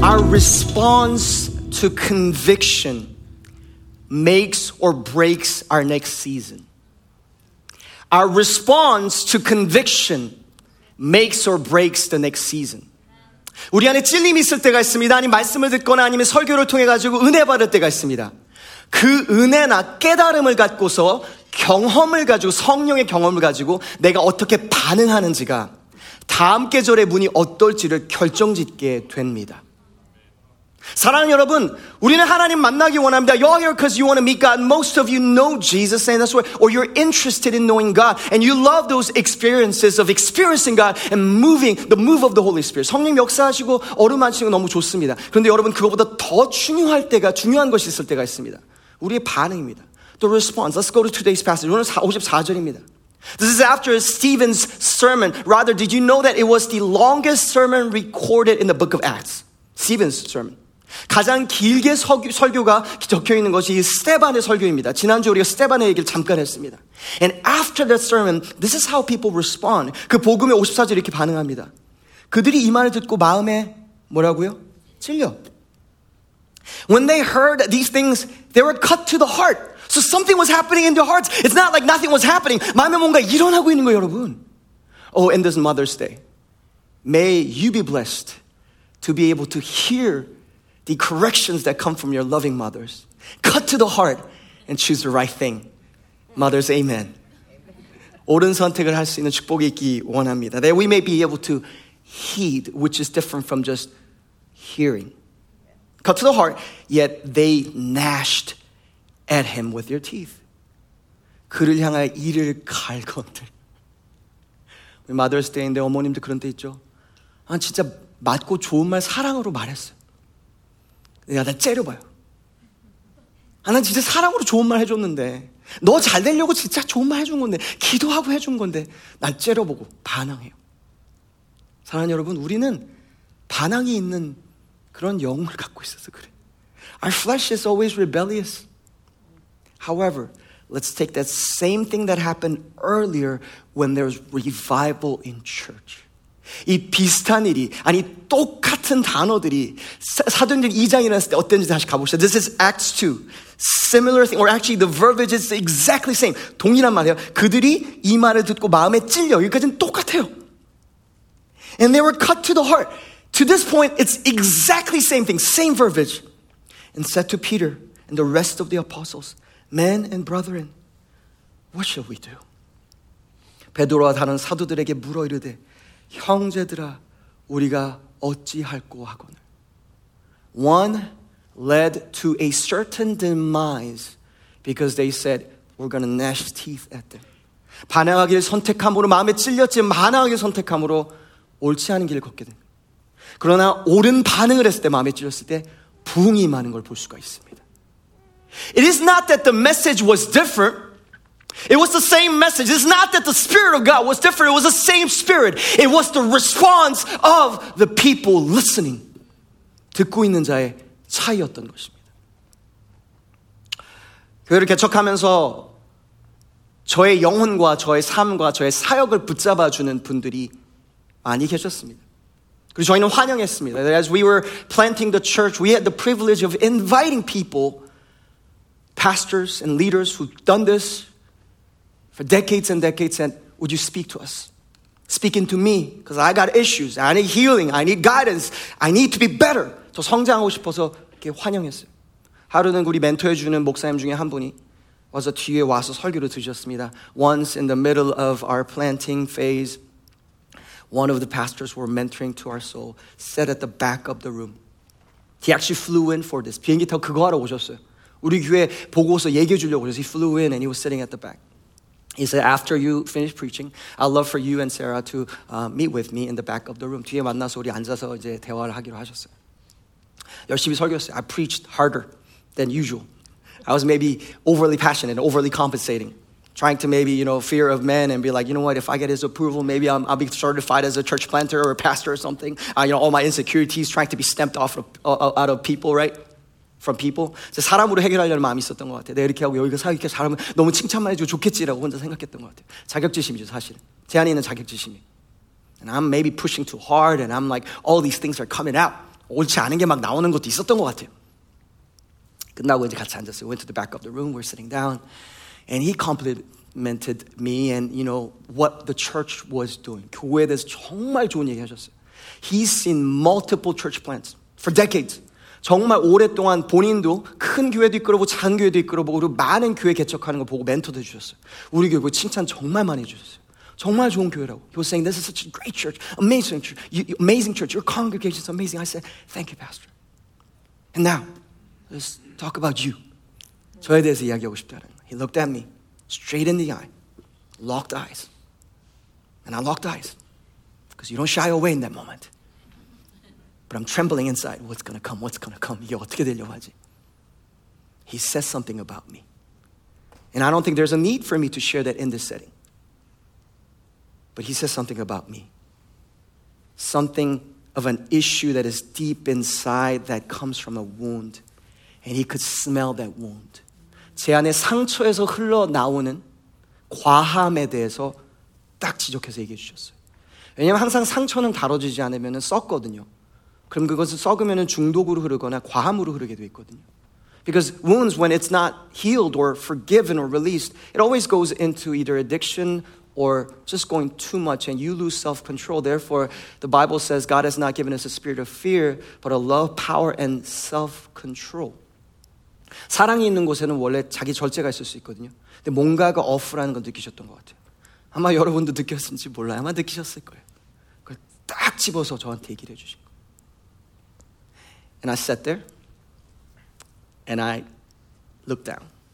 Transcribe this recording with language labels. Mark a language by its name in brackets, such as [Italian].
[English] response to conviction makes or breaks our next season. Our response to conviction makes or breaks the next season. [Korean] 우리 안에 찔림이 있을 때가 있습니다. 아니 말씀을 듣거나 아니면 설교를 통해 가지고 은혜 받을 때가 있습니다. 그 은혜나 깨달음을 갖고서 경험을 가지고 성령의 경험을 가지고 내가 어떻게 반응하는지가 다음 계절의 문이 어떨지를 결정짓게 됩니다. 사랑하는 여러분, 우리는 하나님 만나기 원합니다. [English] You're here because you want to meet God. Most of you know Jesus, and that's why, or you're interested in knowing God, and you love those experiences of experiencing God and moving the move of the Holy Spirit. [Korean] 성령 역사하시고 얼음 안 치고 너무 좋습니다. 그런데 여러분, 그거보다 더 중요할 때가 중요한 것이 있을 때가 있습니다. 우리의 반응입니다. [English] The response. Let's go to today's passage. [Korean] 오늘 54절입니다. [English] This is after Stephen's sermon. Rather, did you know that it was the longest sermon recorded in the book of Acts? Stephen's sermon. [Korean] 가장 길게 설교가 적혀 있는 것이 스테반의 설교입니다. 지난주 우리가 스테반의 얘기를 잠깐 했습니다. [English] And after that sermon, this is how people respond. [Korean] 그 복음의 54절 이렇게 반응합니다. 그들이 이 말을 듣고 마음에 뭐라고요? 찔려. [English] When they heard these things, they were cut to the heart. So something was happening in their hearts. It's not like nothing was happening. [Korean] 마음에 뭔가 일어나고 있는 거예요, 여러분. [English] Oh, and this Mother's Day. May you be blessed to be able to hear the corrections that come from your loving mothers. Cut to the heart and choose the right thing. Mothers, amen. [Korean] 옳은 선택을 할 수 있는 축복이 있기 원합니다. [English] That we may be able to heed, which is different from just hearing. Cut to the heart, yet they gnashed at him with their teeth. [Korean] 그를 향해 이를 갈 것들. 우리 Mother's Day인데 어머님도 그런 때 있죠. 아, 진짜 맞고 좋은 말 사랑으로 말했어요. 야, 나 째려봐요. 아, 난 진짜 사랑으로 좋은 말 해줬는데 너 잘 되려고 진짜 좋은 말 해준 건데 기도하고 해준 건데 난 째려보고 반항해요. 사랑하는 여러분, 우리는 반항이 있는 그런 영혼을 갖고 있어서 그래. [English] Our flesh is always rebellious. However, let's take that same thing that happened earlier when there was revival in church. [Korean] 이 비슷한 일이, 아니 똑같은 단어들이 사도행전 2장에 나왔을 때 어땠는지 다시 가봅시다. [English] This is Acts 2. Similar thing, or actually the verbiage is exactly same. [Korean] 동일한 말이에요. 그들이 이 말을 듣고 마음에 찔려. 여기까지는 똑같아요. [English] And they were cut to the heart. To this point, it's exactly same thing, same verbiage. And said to Peter and the rest of the apostles, Men and brethren, what shall we do? [Korean] 베드로와 다른 사도들에게 물어 이르되, 형제들아, 우리가 어찌할꼬 하거늘. [English] One led to a certain demise because they said, we're going to gnash teeth at them. [Korean] 반항하기를 선택함으로 마음에 찔렸지만 반항하기 선택함으로 옳지 않은 길을 걷게 된. 그러나 옳은 반응을 했을 때 마음에 찔렸을 때 부응이 많은 걸 볼 수가 있습니다. [English] It is not that the message was different. It was the same message. It's not that the Spirit of God was different. It was the same Spirit. It was the response of the people listening. [Korean] 듣고 있는 자의 차이였던 것입니다. 교회를 개척하면서 저의 영혼과 저의 삶과 저의 사역을 붙잡아주는 분들이 많이 계셨습니다. 그리고 저희는 환영했습니다. [English] As we were planting the church, we had the privilege of inviting people, pastors and leaders who've done this, for decades and decades, and would you speak to us? Speak into me, because I got issues. I need healing. I need guidance. I need to be better. [Korean] 더 성장하고 싶어서 이렇게 환영했어요. 하루는 우리 멘토해주는 목사님 중에 한 분이 와서 뒤에 와서 설교를 들으셨습니다. [English] Once in the middle of our planting phase, one of the pastors were mentoring to our soul, sat at the back of the room. He actually flew in for this. [Korean] 비행기 타고 그거 하러 오셨어요. 우리 교회 보고서 얘기해 주려고 그래서 [English] he flew in and he was sitting at the back. He said, after you finish preaching, I'd love for you and Sarah to meet with me in the back of the room. [Korean] 뒤에 만나서 우리 앉아서 이제 대화를 하기로 하셨어요. 열심히 설교했어요. [English] I preached harder than usual. I was maybe overly passionate, overly compensating. Trying to maybe, you know, fear of men and be like, you know what, if I get his approval, maybe I'll be certified as a church planter or a pastor or something. You know, all my insecurities trying to be stamped off out of people, right? From people. [Korean] 사람으로 해결하려는 마음이 있었던 것 같아요. 내가 이렇게 하고 여기가 사귀게 잘하면 너무 칭찬만 해주고 좋겠지라고 혼자 생각했던 것 같아요. 자격지심이죠, 사실은. 제 안에 있는 자격지심이. [English] And I'm maybe pushing too hard and I'm like, all these things are coming out. [Korean] 옳지 않은 게 막 나오는 것도 있었던 것 같아요. 끝나고 이제 같이 앉았어요. [English] We went to the back of the room. We're sitting down. And he complimented me and, you know, what the church was doing. [Korean] 교회에 대해서 정말 좋은 얘기 하셨어요. [English] He's seen multiple church plants for decades. [Korean] 정말 오랫동안 본인도 큰 교회도 이끌어보고 작은 교회도 이끌어보고 그리고 많은 교회 개척하는 거 보고 멘토도 해주셨어요. 우리 교회 보고 칭찬 정말 많이 해주셨어요. 정말 좋은 교회라고. [English] He was saying, this is such a great church, amazing church, amazing church. Your congregation is amazing. I said, thank you, pastor. And now, let's talk about you. [Korean] 저에 대해서 이야기하고 싶다는 거예요. [English] He looked at me, straight in the eye, locked eyes. And I locked eyes, because you don't shy away in that moment. But I'm trembling inside. What's going to come? What's going to come? [Korean] 이게 어떻게 되려고 하지? [English] He says something about me. And I don't think there's a need for me to share that in this setting. But he says something about me. Something of an issue that is deep inside that comes from a wound. And he could smell that wound. [Korean] 제 안에 상처에서 흘러나오는 과함에 대해서 딱 지적해서 얘기해 주셨어요. 왜냐면 항상 상처는 다뤄지지 않으면 썩거든요. 그럼 그것을 썩으면 중독으로 흐르거나 과함으로 흐르게 돼 있거든요. [English] Because wounds, when it's not healed or forgiven or released, it always goes into either addiction or just going too much and you lose self-control. Therefore, the Bible says God has not given us a spirit of fear, but a love, power, and self-control. [Korean] 사랑이 있는 곳에는 원래 자기 절제가 있을 수 있거든요. 근데 뭔가가 off라는 걸 느끼셨던 것 같아요. 아마 여러분도 느꼈을지 몰라요. 아마 느끼셨을 거예요. 그걸 딱 집어서 저한테 얘기를 해주신 거예요. [English] And I sat there, and I looked down.